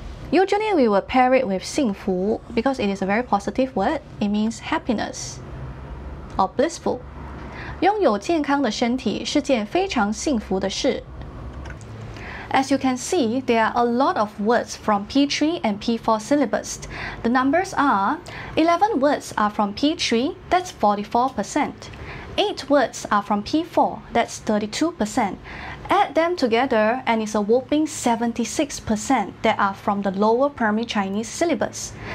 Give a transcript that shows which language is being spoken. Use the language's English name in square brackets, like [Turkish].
[English] Usually we will pair it with 幸福 because it is a very positive word. It means happiness. Or blissful. [Chinese] 拥有健康的身体是件非常幸福的事。 [English] As you can see, there are a lot of words from P3 and P4 syllabus. The numbers are 11 words are from P3, that's 44%. 8 words are from P4, that's 32%. Add them together and it's a whopping 76% that are from the lower primary Chinese syllabus.